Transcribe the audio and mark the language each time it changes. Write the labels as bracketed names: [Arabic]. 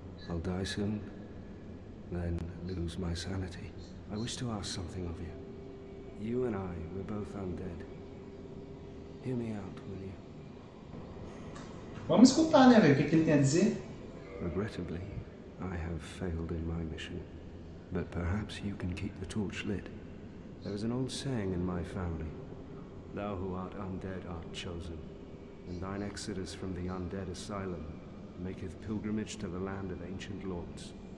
[English] I'll die soon, then lose my sanity. I wish to ask something of you. You and I, we're both undead. Hear me out, will you? [Portuguese] Vamos escutar, né, velho? O que ele tem a dizer? [English] Regrettably, I have failed in my mission. But perhaps you can keep the torch lit. There is an old saying in my family. Thou who art undead art chosen. And thine exodus from the undead asylum maketh pilgrimage to the land of ancient lords.